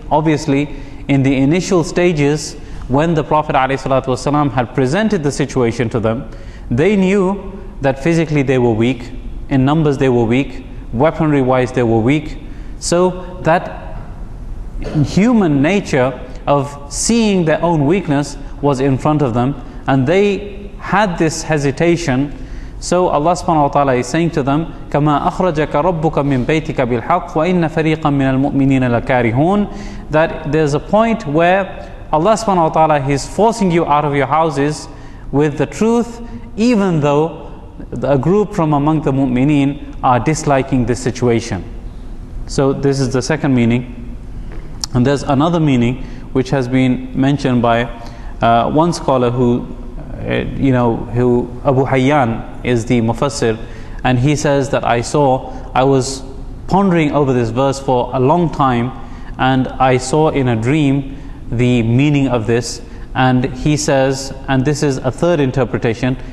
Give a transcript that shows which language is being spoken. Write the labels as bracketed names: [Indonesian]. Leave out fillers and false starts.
[English] Obviously, in the initial stages, when the Prophet ﷺ had presented the situation to them, they knew that physically they were weak, in numbers they were weak, weaponry-wise they were weak. So that human nature of seeing their own weakness was in front of them, and they had this hesitation. So Allah subhanahu wa ta'ala is saying to them, [Arabic] كَمَا أَخْرَجَكَ رَبُّكَ مِنْ بَيْتِكَ بِالْحَقِّ وَإِنَّ فَرِيقًا مِنَ الْمُؤْمِنِينَ لَكَارِهُونَ. [English] That there's a point where Allah subhanahu wa ta'ala is forcing you out of your houses with the truth, even though a group from among the mu'mineen are disliking this situation. So this is the second meaning. And there's another meaning which has been mentioned by one scholar who Abu Hayyan is the Mufassir, and he says that I was pondering over this verse for a long time, and I saw in a dream the meaning of this. And he says, and this is a third interpretation,